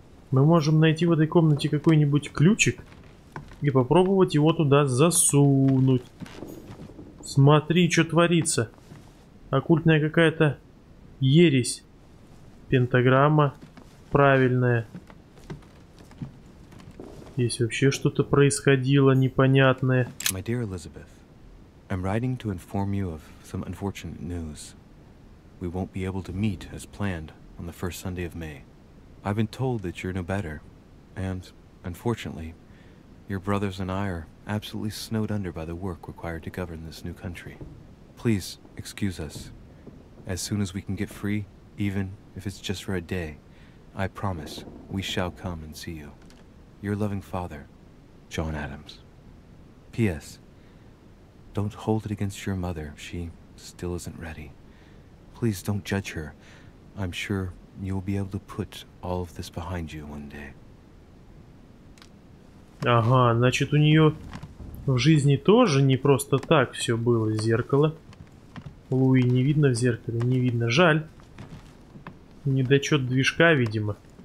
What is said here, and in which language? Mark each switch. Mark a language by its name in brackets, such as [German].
[Russian] Мы можем найти в этой комнате какой-нибудь ключик. И попробовать его туда засунуть. Смотри, что творится. Оккультная какая-то ересь. Пентаграмма. Правильная. Здесь вообще что-то происходило непонятное. [English] My dear Elizabeth, I'm writing to inform you of some unfortunate news. We won't be able to meet as planned on the first Sunday of May. I've been told that you're no better, and unfortunately, your brothers and I are absolutely snowed under by the work required to govern this new country. Please excuse us. As soon as we can get free, even if it's just for a day, I promise we shall come and see you. Your loving father, John Adams. P.S. Don't hold it against your mother. She still isn't ready. Please don't judge her. I'm sure you'll be able to put all of this behind you one day. [Russian] Ага, значит, у нее в жизни тоже не просто так все было. Зеркало. Луи не видно в зеркале, не видно. Жаль. Недочет движка, видимо.